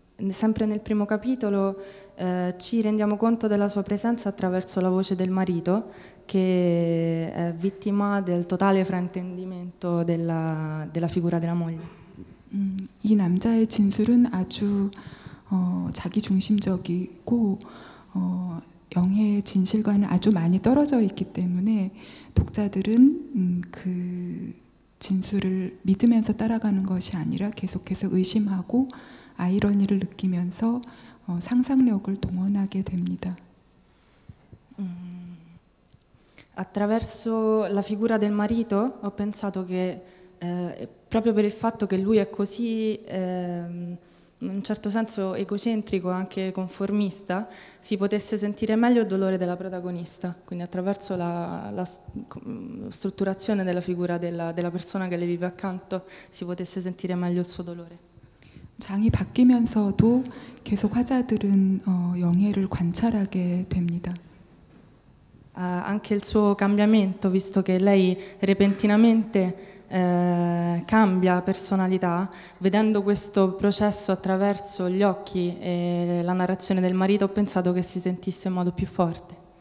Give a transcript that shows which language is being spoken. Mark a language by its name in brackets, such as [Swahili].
[Italian] Sempre nel primo capitolo ci rendiamo conto della sua presenza attraverso la voce del marito che è vittima del totale fraintendimento della figura della moglie. [Korean] 이 남자의 진술은 아주 자기중심적이고 영혜의 진실과는 아주 많이 떨어져 있기 때문에 독자들은 그 진술을 믿으면서 따라가는 것이 아니라 계속해서 의심하고 아이러니를 느끼면서 상상력을 동원하게 됩니다. [Italian] Attraverso la figura del marito ho pensato che proprio per il fatto che lui è così in un certo senso egocentrico, anche conformista, si potesse sentire meglio il dolore della protagonista, quindi attraverso la strutturazione della figura della persona che le vive accanto si potesse sentire meglio il suo dolore. [Korean] 장이 바뀌면서도 계속 화자들은 영혜를 관찰하게 됩니다. [Italian] Anche il suo cambiamento, visto che lei repentinamente cambia personalità, vedendo questo processo attraverso gli occhi e la narrazione del marito, ho pensato che si sentisse in modo più forte.